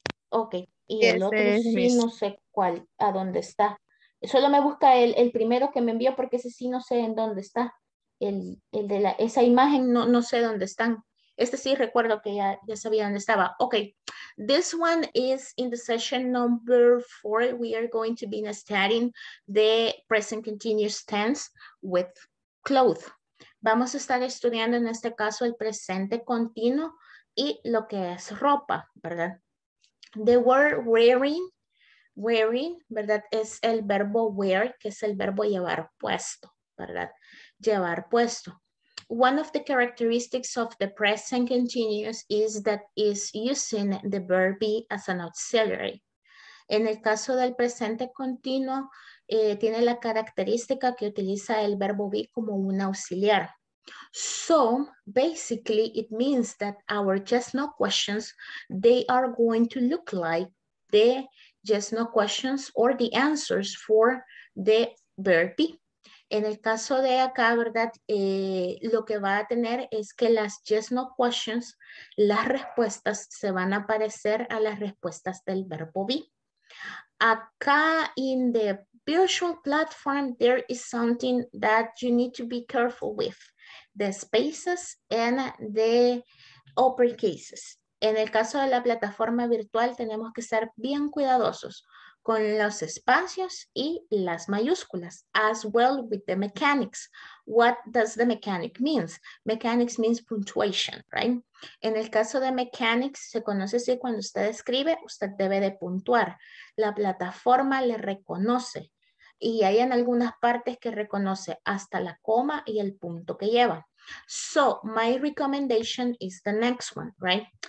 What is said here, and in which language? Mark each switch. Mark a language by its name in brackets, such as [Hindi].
[Spanish] Ok, y el otro sí, no sé cuál, a dónde está. Solo me busca el primero que me envió porque ese sí no sé en dónde está. El de la, esa imagen no sé dónde están. Este sí recuerdo que ya sabía dónde estaba. [English] Ok. This one is in the session number 4. We are going to be studying the present continuous tense with clothes. [Spanish] Vamos a estar estudiando en este caso el presente continuo y lo que es ropa, ¿verdad? [English] They were wearing, [Spanish] ¿verdad? Es el verbo wear, que es el verbo llevar puesto, ¿verdad? Llevar puesto. [English] One of the characteristics of the present continuous is that it's using the verb be as an auxiliary. [Spanish] En el caso del presente continuo, tiene la característica que utiliza el verbo be como un auxiliar. [English] So, basically, it means that our just no questions, they are going to look like the just no questions or the answers for the verb be. [Spanish] En el caso de acá, ¿verdad? Lo que va a tener es que las just no questions, las respuestas se van a parecer a las respuestas del verbo be. [English] Acá in the virtual platform, there is something that you need to be careful with. The spaces and the uppercases. [Spanish] En el caso de la plataforma virtual, tenemos que ser bien cuidadosos con los espacios y las mayúsculas, [English] as well with the mechanics. What does the mechanic means? Mechanics means punctuation, right? [Spanish] En el caso de mechanics, se conoce así cuando usted escribe, usted debe de puntuar. La plataforma le reconoce. Y hay en algunas partes que reconoce hasta la coma y el punto que lleva. [English] So, my recommendation is the next one, right?